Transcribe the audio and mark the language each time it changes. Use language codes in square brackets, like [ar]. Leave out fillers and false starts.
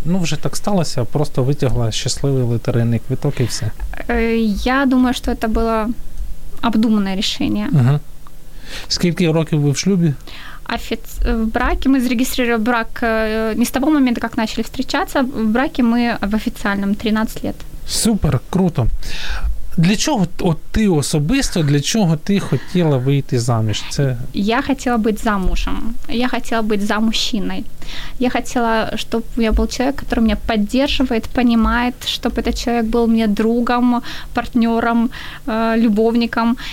[uk] Ну, вже так сталося, просто витягла щасливий лотерейний квиток і все. Я думаю, що це було обдумане рішення. Угу. Скільки років ви в шлюбі? [ru] В браке мы зарегистрировали брак не с того момента, как начали встречаться, в браке мы в официальном 13 лет. [uk] Супер, круто. Для чого от ти особисто, для чого ти хотіла вийти заміж? Це... Я хотіла бути замужем. Я хотіла бути за мужчиной. Я хотіла, щоб я був чоловік, який мене підтримує, розуміє, щоб цей чоловік був мені другом, партнером, любовником.